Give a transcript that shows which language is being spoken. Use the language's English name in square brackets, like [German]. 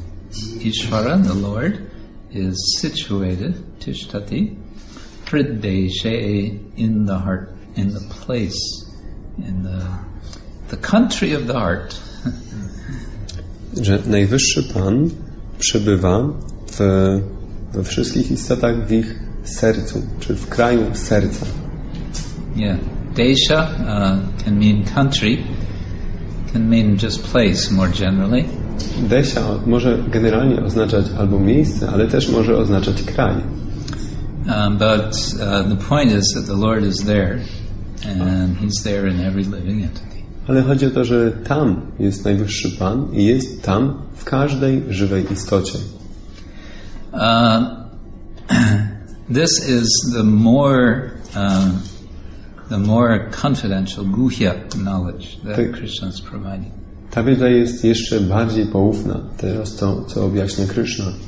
[English] Ishvara, the Lord, is situated, tishtati, riddeshe, in the heart, in the place, in the country of the heart. [Polish] Że najwyższy Pan przebywa we wszystkich istotach w ich sercu, czy w kraju serca. [English] Yeah, desha can mean country, can mean just place more generally. [Polish] Desha może generalnie oznaczać albo miejsce, ale też może oznaczać kraj. [English] The point is that the Lord is there, and He's there in every living entity. [Polish] Ale chodzi o to, że tam jest najwyższy Pan i jest tam w każdej żywej istocie. [English] This is the more confidential, guhya knowledge that Krishna is providing. [Polish] Ta wiedza jest jeszcze bardziej poufna, teraz to, co objaśnia Krishna.